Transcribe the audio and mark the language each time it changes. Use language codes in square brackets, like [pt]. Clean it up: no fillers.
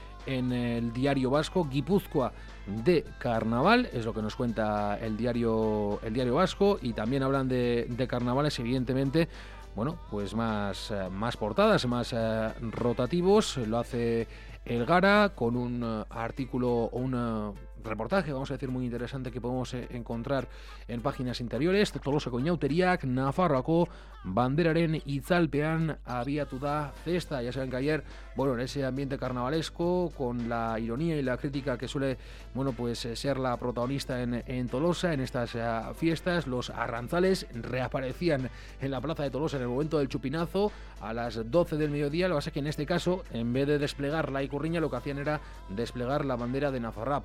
[es] en el diario Vasco, Guipúzcoa de carnaval, es lo que nos cuenta el diario Vasco, y también hablan de carnavales, evidentemente, bueno, pues más portadas, más rotativos, lo hace El Gara con un artículo o un reportaje, vamos a decir, muy interesante que podemos encontrar en páginas interiores. [eu] Tolosako Iñauteriak, Nafarroako banderaren itzalpean abiatu da festa. [es] Ya saben que ayer, bueno, en ese ambiente carnavalesco, con la ironía y la crítica que suele, bueno, pues ser la protagonista en Tolosa, en estas fiestas, los arranzales reaparecían en la plaza de Tolosa en el momento del chupinazo a las 12 del mediodía. Lo que pasa es que en este caso, en vez de desplegar la ikurriña, lo que hacían era desplegar la bandera de Nafarroa.